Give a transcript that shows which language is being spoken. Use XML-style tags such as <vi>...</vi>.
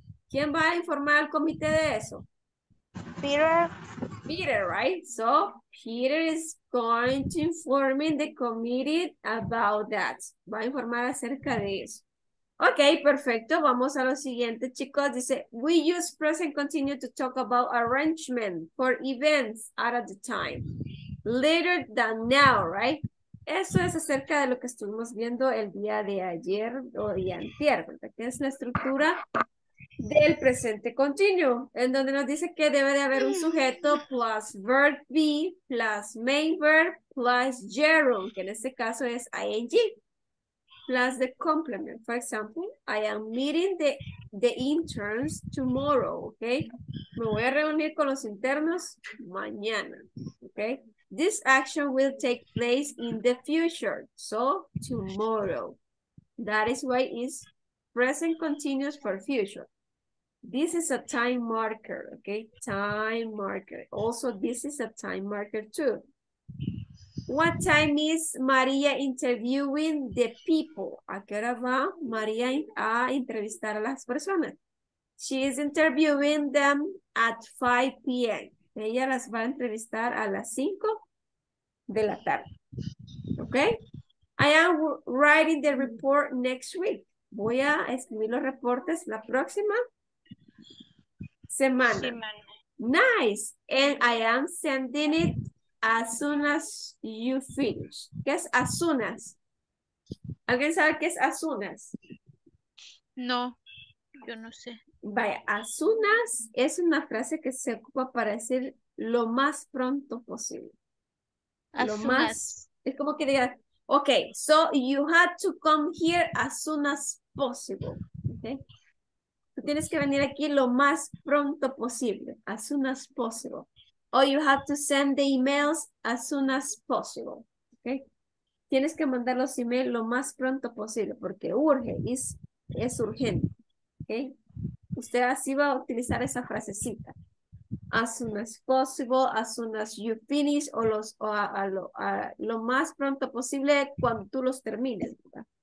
<es>¿Quién va a informar al comité de eso?</es> <en>Peter, right? So, Peter is going to informing the committee about that.</en> <es>Va a informar acerca de eso. Ok, perfecto. Vamos a lo siguiente, chicos. Dice,</es> <en>we use present continue to talk about arrangement for events out of the time. Later than now, right?</en> <es>Eso es acerca de lo que estuvimos viendo el día de ayer o día antier, ¿verdad? Que es la estructura del presente continuo, en donde nos dice que debe de haber un sujeto plus verb be plus main verb plus gerund, que en este caso es ing,</es> <en>plus the complement. For example, I am meeting the interns tomorrow, ¿ok?</en> <es>Me voy a reunir con los internos mañana, ¿ok?</es> <en>This action will take place in the future, so tomorrow. That is why it's present continuous for future. This is a time marker, okay? Time marker. Also, this is a time marker too. What time is Maria interviewing the people?</en> <es>¿A qué hora va Maria a entrevistar a las personas?</es> <en>She is interviewing them at 5 p.m.</en> <es>Ella las va a entrevistar a las 5 de la tarde.</es> <en>Okay. I am writing the report next week.</en> <es>Voy a escribir los reportes la próxima semana.</es> <en>Nice. And I am sending it as soon as you finish.</en> <es>¿Qué es as soon as? ¿Alguien sabe qué es as soon as? No, yo no sé. Vaya, as soon as es una frase que se ocupa para decir lo más pronto posible. Es como que diga,</es> <en>ok, so you had to come here as soon as possible. Okay?</en> <es>Tú tienes que venir aquí lo más pronto posible,</es> <en>as soon as possible. Or you had to send the emails as soon as possible. Okay?</en> <es>Tienes que mandar los emails lo más pronto posible porque urge, es urgente. Okay? Usted así va a utilizar esa frasecita.</es> <en>As soon as possible, as soon as you finish,</en> <es>lo más pronto posible cuando tú los termines, ¿verdad?</es>